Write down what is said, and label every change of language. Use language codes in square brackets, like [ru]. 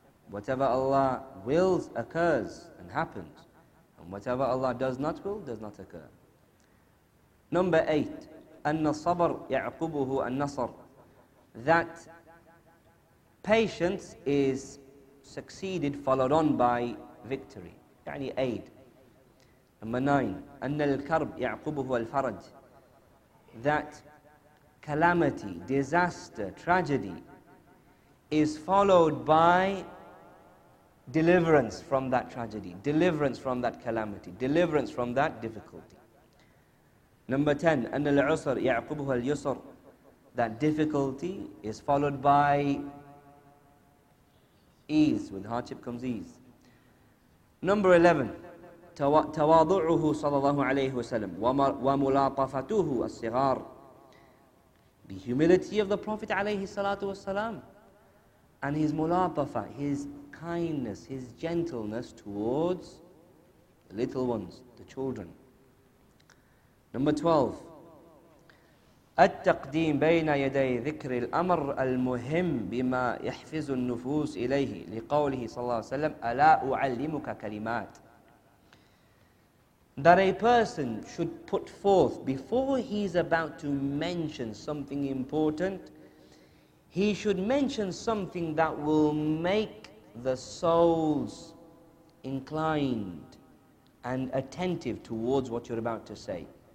[en] Whatever Allah wills occurs and happens, and whatever Allah does not will does not occur. Number eight, [ar] أَنَّ الصَّبَرْ يَعْقُبُهُ النَّصَرُ. [en] That patience is succeeded, followed on by victory. يعني aid. Number nine, [ar] أن الكرب يعقبه الفرج. [en] That calamity, disaster, tragedy is followed by deliverance from that tragedy, deliverance from that calamity, deliverance from that difficulty. Number 10, [ar] أن العسر يعقبه اليسر. [en] That difficulty is followed by ease. With hardship comes ease. Number 11, [ar] تواضعه صلى الله عليه وسلم وملاطفته الصغار. [en] The humility of the Prophet عليه الصلاة والسلام and his mulatafa, his kindness, his gentleness towards the little ones, the children. Number 12, [ar] التقديم بين يدي ذكر الأمر المهم بما يحفز النفوس إليه لقوله صلى الله عليه وسلم ألا أعلمك كلمات. [en] That a person should put forth, before he's about to mention something important, he should mention something that will make the souls inclined and attentive towards what you're about to say.